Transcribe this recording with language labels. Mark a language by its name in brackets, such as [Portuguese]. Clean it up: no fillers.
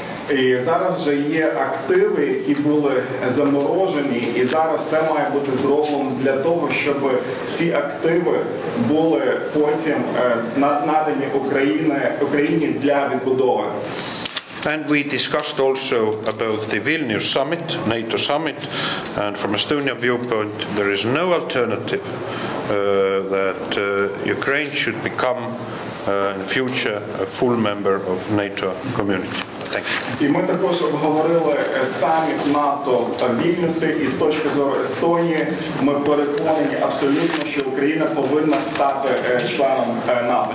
[Ukrainian] І зараз вже є активи, які були заморожені, і зараз все має бути зроблено для того, щоб ці активи були потім надані Україні для відбудови. [English] And we discussed also about the Vilnius summit, NATO summit, and from Estonia viewpoint there is no alternative that Ukraine should become in the future a full member of NATO community. [Ukrainian] І ми також обговорили саміт НАТО в Вільнюсі, і з точки зору Естонії ми переконані абсолютно, що Україна повинна стати членом НАТО.